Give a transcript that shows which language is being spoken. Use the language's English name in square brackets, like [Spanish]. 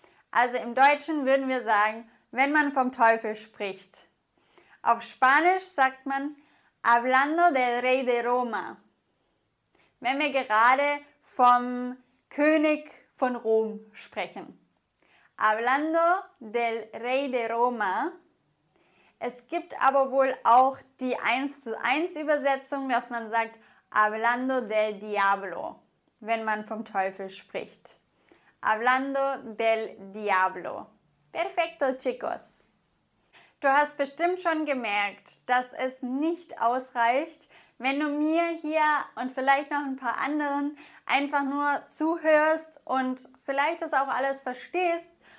[German] Also im Deutschen würden wir sagen, wenn man vom Teufel spricht. Auf Spanisch sagt man, [Spanish] hablando del Rey de Roma. [German] Wenn wir gerade vom König von Rom sprechen. [Spanish] Hablando del Rey de Roma. [German] Es gibt aber wohl auch die 1:1 Übersetzung, dass man sagt, [Spanish] hablando del diablo, [German] wenn man vom Teufel spricht. [Spanish] Hablando del diablo. Perfecto, chicos. [German] Du hast bestimmt schon gemerkt, dass es nicht ausreicht, wenn du mir hier und vielleicht noch ein paar anderen einfach nur zuhörst und vielleicht das auch alles verstehst.